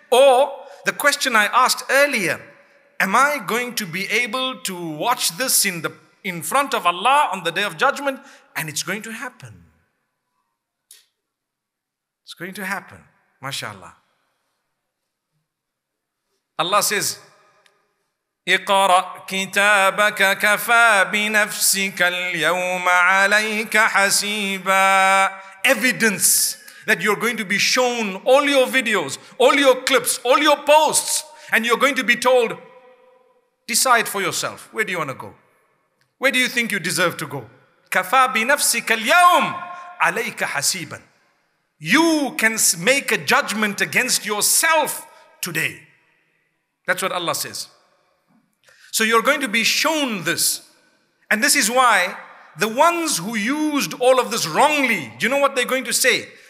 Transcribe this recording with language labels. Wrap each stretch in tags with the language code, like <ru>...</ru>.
<en>Or the question I asked earlier, am I going to be able to watch this in front of Allah on the day of judgment? And it's going to happen. It's going to happen, mashallah. Allah says,</en> <ar>اقرأ كتابك كفى بنفسك اليوم عليك حسيبا.</ar> <en>Evidence that you're going to be shown all your videos, all your clips, all your posts, and you're going to be told, decide for yourself. Where do you want to go? Where do you think you deserve to go?</en> <ar>كفى بنفسك اليوم عليك حسيبا.</ar> <en>You can make a judgment against yourself today. That's what Allah says. So you're going to be shown this. And this is why the ones who used all of this wrongly, do you know what they're going to say?</en>